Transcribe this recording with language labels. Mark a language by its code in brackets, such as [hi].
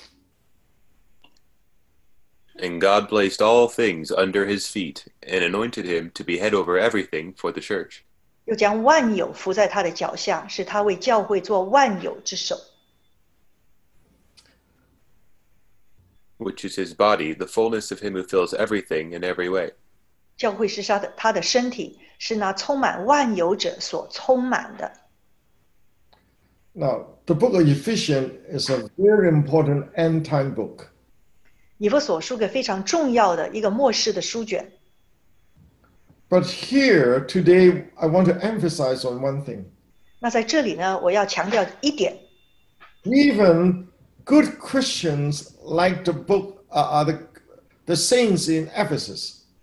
[en] And God placed all things under his feet and anointed him to be head over everything for the church. [zh] 又将万有伏在他的脚下,使他为教会做万有之首。 [en] Which is his body, the fullness of him who fills everything in every way. [zh] 教会是他的身体,是那充满万有者所充满的。 [en] Now, the book of Ephesians is a very important end-time book. [zh] 以弗所书个非常重要的一个末世的书卷。 [en] But here, today, I want to emphasize on one thing. [zh] 那在这里呢,我要强调一点。 [en] Even good Christians like the book, the saints in Ephesus.